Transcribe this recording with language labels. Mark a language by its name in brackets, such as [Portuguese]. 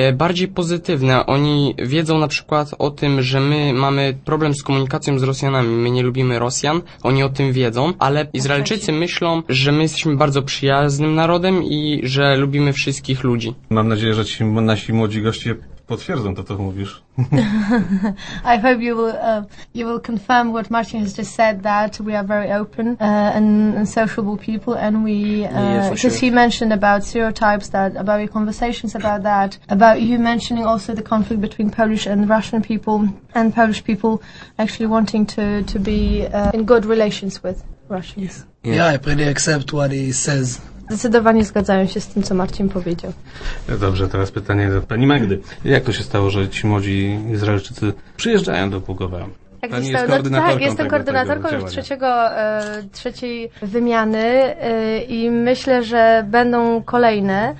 [Polish] Bardziej pozytywne. Oni wiedzą na przykład o tym, że my mamy problem z komunikacją z Rosjanami. My nie lubimy Rosjan, oni o tym wiedzą, ale Izraelczycy myślą, że my jesteśmy bardzo przyjaznym narodem i że lubimy wszystkich ludzi. Mam nadzieję, że ci nasi młodzi goście potwierdzą to, co mówisz. [English] I hope you will confirm what Marcin has just said, that we are very open and sociable people, and we because he mentioned about stereotypes, that about your conversations about that, about you mentioning also the conflict between Polish and Russian people, and Polish people actually wanting to be in good relations with Russians. Yeah, I pretty accept what he says. [Polish] Zdecydowanie zgadzają się z tym, co Marcin powiedział. Dobrze, teraz pytanie do pani Magdy. Jak to się stało, że ci młodzi Izraelczycy przyjeżdżają do Głogowa? Tak, pani jest koordynatorką. Tak, jestem koordynatorką już trzeciej wymiany i myślę, że będą kolejne.